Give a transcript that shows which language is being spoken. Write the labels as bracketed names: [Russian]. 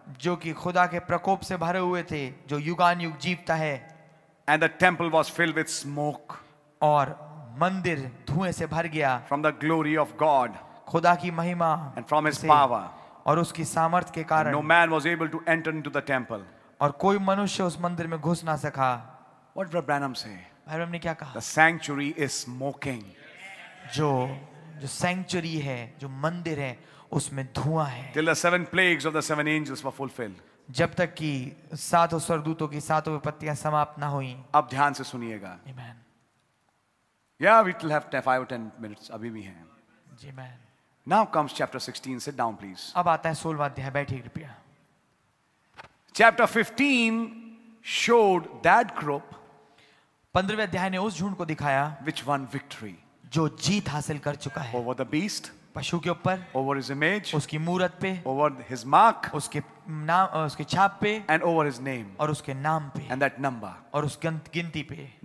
[Hindi] जो कि खुदा के प्रकोप से भरे हुए थे, जो युगानुयुग जीवता है. [English] And the temple was filled with smoke. [Hindi] और मंदिर धुएं से भर गया. [English] From the glory of God. [Hindi] खुदा की महिमा. [English] And from his power. [Hindi] और उसकी सामर्थ्य के कारण. [English] No man was able to enter into the temple. [Hindi] और कोई मनुष्य उस मंदिर में घुस ना सका. [English] What did Branham say? [Hindi] Branham ने क्या कहा? [English] The sanctuary is smoking. [Hindi] जो सैंक्चुरी है, जो मंदिर है, उसमें धुआं है. [English] Till the seven plagues of the seven angels were fulfilled. [Hindi] जब तक कि सातों स्वर्गदूतों की सातों विपत्तियां समाप्त ना हुईं. अब ध्यान से सुनिएगा. [English] Amen. Yeah, we still have 5 or 10 minutes. [Hindi] अभी भी हैं. जी man. [English] Now comes chapter 16. Sit down, please. [Hindi] अब आता है 16वां अध्याय. बैठिए कृपया. [English] Chapter 15 showed that group. [Hindi] 15वें अध्याय ने उस झुंड को दिखाया [English] which one victory [Hindi] जो जीत हासिल कर चुका है [English] over the beast [Hindi] पशु के ऊपर [English] over his image [Hindi] उसकी मूरत पे [English] over his mark [Hindi] उसके नाम उसके छाप पे [English] and over his name [Hindi] और उसके नाम पे [English] and that number [Hindi] और उस गिनती पे